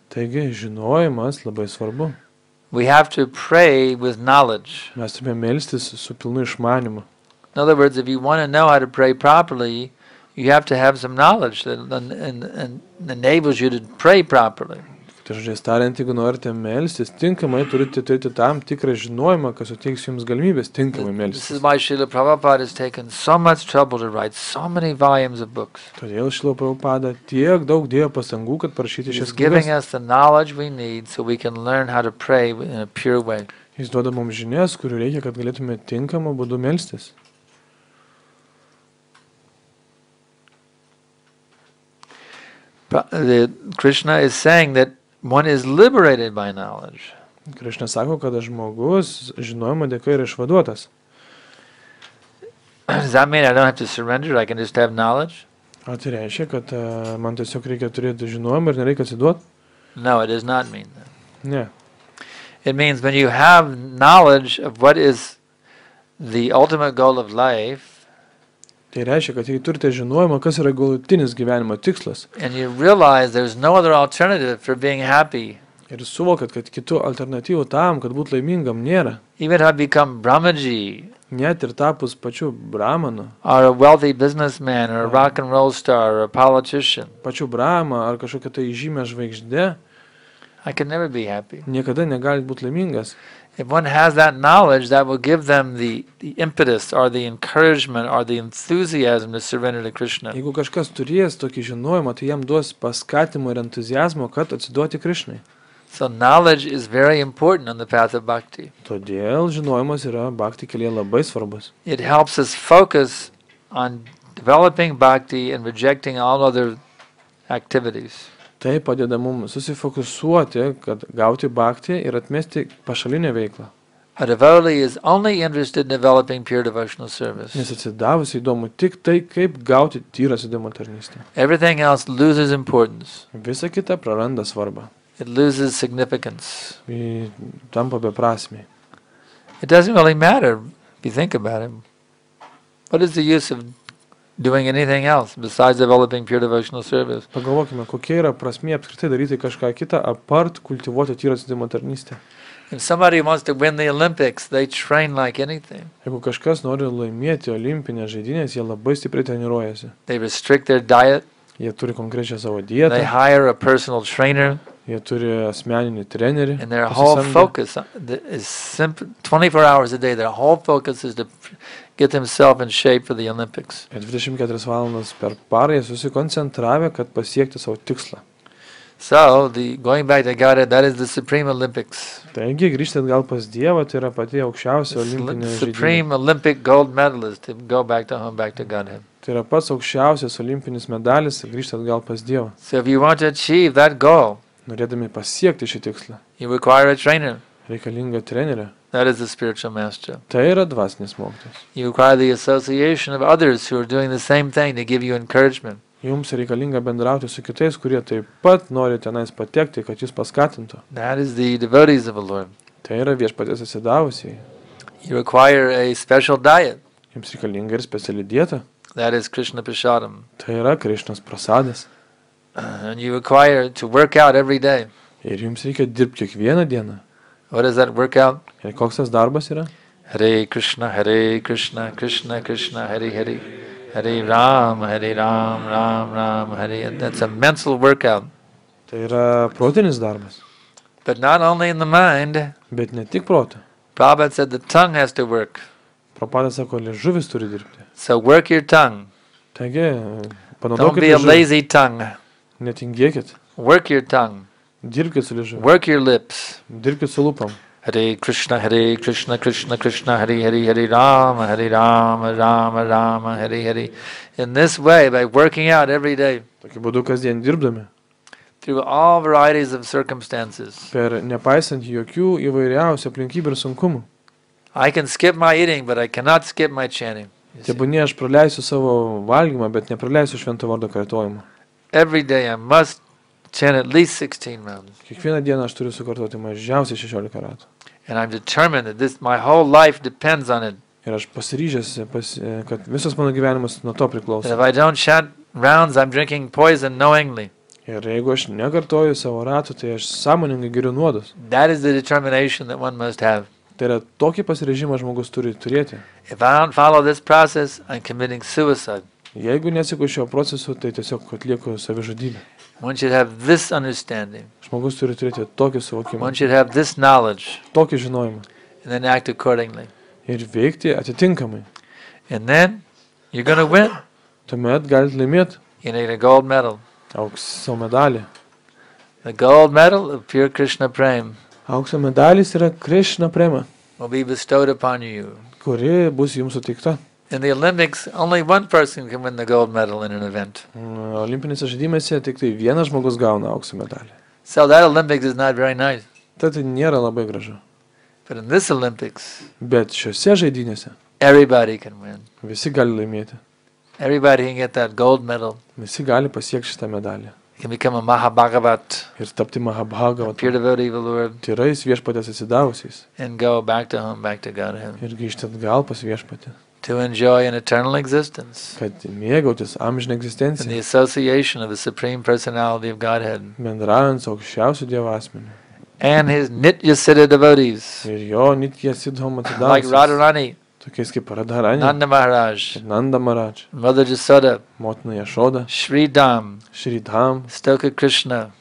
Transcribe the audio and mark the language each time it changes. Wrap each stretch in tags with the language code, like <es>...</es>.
<lt>Taigi, žinojimas labai svarbu.</lt> <en>We have to pray with knowledge.</en> <lt>Mes turime melstis su pilnu išmanimu.</lt> <en>In other words, if you want to know how to pray properly, you have to have some knowledge that and enables you to pray properly.</en> <lt>Kitaip tariant, jeigu norite melstis tinkamai, turite turėti tam tikrą žinojimą, kas suteiks jums galimybės tinkamai melstis.</lt> <en>This is why Srila Prabhupada has taken so much trouble to write so many volumes of books.</en> <lt>Todėl Srila Prabhupada tiek daug dėjo pastangų, kad parašyti šias knygas.</lt> <en>Giving us the knowledge we need so we can learn how to pray in a pure way.</en> <lt>Jis duoda mums žinias, kurių reikia, kad galėtume tinkamą būdu melstis.</lt> <en>Krishna is saying that one is liberated by knowledge.</en> <lt>Krishna sako, kad žmogus žinojimo dėka yra išvaduotas.</lt> <en>Does that mean I don't have to surrender, I can just have knowledge?</en> <lt>Ar tai reiškia, kad man tiesiog reikia turėti žinojimą ir nereikia atsiduoti?</lt> <en>No, it does not mean that.</en> <lt>Ne.</lt> <en>It means when you have knowledge of what is the ultimate goal of life,</en> <lt>tai reiškia, kad jei turite žinojimą, kas yra galutinis gyvenimo tikslas,</lt> <en>and you realize there's no other alternative for being happy,</en> <lt>ir suvokat, kad kitų alternatyvų tam, kad būt laimingam, nėra.</lt> <en>Even have become Brahmaji,</en> <lt>net ir tapus pačiu brahmanu,</lt> <en>or a wealthy businessman, or a rock and roll star, or a politician,</en> <lt>pačiu brahma, ar kažkokia tai žymia žvaigždė,</lt> <en>I can never be happy.</en> <lt>Niekada negali būt laimingas.</lt> <en>If one has that knowledge, that will give them the impetus, or the encouragement, or the enthusiasm to surrender to Krishna.</en> <lt>Jeigu kažkas turės tokį žinojimą, tai jam duos paskatymą ir entuziazmą, kad atsiduoti Krishnai.</lt> <en>So knowledge is very important on the path of bhakti.</en> <lt>Todėl žinojimas yra bhakti kelyje labai svarbus.</lt> <en>It helps us focus on developing bhakti and rejecting all other activities.</en> <lt>Tai padeda mums susifokusuoti, kad gauti bhakti ir atmesti pašalinę veiklą.</lt> <en>A devotee is only interested in developing pure devotional service.</en> <lt>Nes atsidavusiai įdomu tik tai, kaip gauti tyrą sėdimo tarnystę.</lt> <en>Everything else loses importance.</en> <lt>Visa kita praranda svarbą.</lt> <en>It loses significance.</en> <lt>Ji tampa beprasmė.</lt> <en>It doesn't really matter if you think about it. What is the use of doing anything else besides developing pure devotional service?</en> <lt>Pagalvokime, kokia yra prasmė apskritai daryti kažką kitą apart kultivuoti tyrą sėdimo tarnystę.</lt> <en>If somebody wants to win the Olympics, they train like anything.</en> <lt>Jeigu kažkas nori laimėti olimpines žaidynes, jie labai stipriai treniruojasi.</lt> <en>They restrict their diet.</en> <lt>Jie turi konkrečią savo dietą.</lt> <en>They hire a personal trainer.</en> <lt>Jie turi asmeninį trenerį.</lt> <en>And their whole focus is simple, 24 hours a day, their whole focus is to get themselves in shape for the Olympics.</en> <lt>24 valandas per parą jie susikoncentravę, kad pasiekti savo tikslą.</lt> <en>So, going back to God, that is the Supreme Olympics.</en> <lt>Taigi, grįžti atgal pas Dievą, tai yra pati aukščiausia olimpinė žaidynė.</lt> <en>Supreme Olympic gold medalist, to go back to home, back to Godhead.</en> <lt>Tai yra pats aukščiausias olimpinis medalis, grįžti atgal pas Dievą.</lt> <en>So, if you want to achieve that goal,</en> <lt>norėdami pasiekti šį tikslą,</lt> <en>you require a trainer.</en> <lt>Reikalinga trenerė.</lt> <en>That is the spiritual master.</en> <lt>Tai yra dvasinis mokytojas.</lt> <en>You require the association of others who are doing the same thing to give you encouragement.</en> <lt>Jums reikalinga bendrauti su kitais, kurie taip pat nori tenais patekti, kad jūs paskatintų.</lt> <en>That is the devotees of the Lord.</en> <lt>Tai yra viešpaties atsidavusiai.</lt> <en>You require a special diet.</en> <lt>Jums reikalinga ir speciali dieta.</lt> <en>That is Krishna prasadam.</en> <lt>Tai yra Krishnas prasadas.</lt> <en>And you require to work out every day.</en> <lt>Ir jums reikia dirbti kiekvieną dieną.</lt> <en>What is that workout?</en> <lt>Ir koks tas darbas yra?</lt> <sa>Hare Krishna, Krishna Krishna, Hare Hare. Hare Ram, Hare Ram, Ram Ram, Hare.</sa> <en>That's a mental workout.</en> <lt>Tai yra protinis darbas.</lt> <en>But not only in the mind.</en> <lt>Bet ne tik protą.</lt> <en>Prabhupada said the tongue has to work.</en> <lt>Prabhupada sako, liežuvis turi dirbti.</lt> <en>So work your tongue.</en> <lt>Taigi, panaudokite liežuvį.</lt> <en>Don't be a lazy tongue.</en> <lt>Netingėkit.</lt> <en>Work your tongue.</en> <lt>Dirbkit su liežuviu.</lt> <en>Work your lips.</en> <lt>Dirbkit su lūpom.</lt> <sa>Hare Krishna, Hare Krishna, Krishna Krishna, Hare Hare, Hare Rama, Hare Rama, Rama Rama, Hare Hare.</sa> <en>In this way, by working out every day.</en> <lt>Tokiu būdu kasdien dirbdami.</lt> <en>Through all varieties of circumstances.</en> <lt>Per nepaisant jokių įvairiausių aplinkybių ir sunkumų.</lt> <en>I can skip my eating, but I cannot skip my chanting.</en> <lt>Tebūnie aš praleisiu savo valgymą, bet nepraleisiu švento vardo kartojimą.</lt> <en>Every day I must chant at least 16 rounds.</en> <lt>Kiekvieną dieną aš turiu sukartoti mažiausiai 16 ratų.</lt> <en>And I'm determined that this my whole life depends on it.</en> <lt>Ir aš pasiryžęs, kad visas mano gyvenimas nuo to priklauso.</lt> <en>If I don't chant rounds, I'm drinking poison knowingly.</en> <lt>Ir jeigu aš nekartoju savo ratų, tai aš sąmoningai geriu nuodus.</lt> <en>That is the determination that one must have.</en> <lt>Tai yra tokį pasiryžimą žmogus turi turėti.</lt> <en>If I don't follow this process, I'm committing suicide.</en> <lt>Jeigu nesiku šio proceso, tai tiesiog atlieku savižudybę.</lt> <en>One should have this understanding.</en> <lt>Žmogus turi turėti tokį suvokimą.</lt> <en>One should have this knowledge.</en> <lt>Tokį žinojimą.</lt> <en>And then act accordingly.</en> <lt>Ir veikti atitinkamai.</lt> <en>And then you're going to win.</en> <lt>Tuomet galit laimėt.</lt> <en>You need a gold medal.</en> <lt>Aukso medalį.</lt> <en>The gold medal of pure Krishna Prem.</en> <lt>Aukso medalis yra Krishna Prema.</lt> <en>Will be bestowed upon you.</en> <lt>Kuri bus jums suteikta.</lt> <en>In the Olympics, only one person can win the gold medal in an event.</en> <lt>Olimpinėse žaidimėse tik tai vienas žmogus gauna aukso medalį.</lt> <en>So that Olympics is not very nice.</en> <lt>Tai nėra labai gražu.</lt> <en>But in this Olympics,</en> <lt>bet šiose žaidynėse,</lt> <en>everybody can win.</en> <lt>Visi gali laimėti.</lt> <en>Everybody can get that gold medal.</en> <lt>Visi gali pasiekti šitą medalį.</lt> <en>Can become a Mahabhagavat.</en> <lt>Ir tapti Mahabhagavat.</lt> <en>Pure devotee of the Lord.</en> <lt>Tyrais viešpatės atsidavusiais.</lt> <en>And go back to home, back to Godhead.</en> <lt>Ir grįžti atgal pas viešpatį.</lt> <en>To enjoy an eternal existence.</en> <lt>Kad mėgautis amžinę egzistenciją.</lt> <en>In the association of the Supreme Personality of Godhead.</en> <lt>Bendraujant su aukščiausiu Dievo asmeniu.</lt> <en>And his nitya siddha devotees.</en> <lt>Ir jo nitya siddhom atsidavusiais.</lt> <en>Like Radharani.</en> <lt>Tokiais kaip Radharani.</lt> <en>Nanda Maharaj.</en> <lt>Nanda Maharaj.</lt> <en>Mother Jasoda.</en> <lt>Motina Jasoda.</lt> <en>Shri Dham.</en> <lt>Shri Dham.</lt> <en>Stoka Krishna.</en>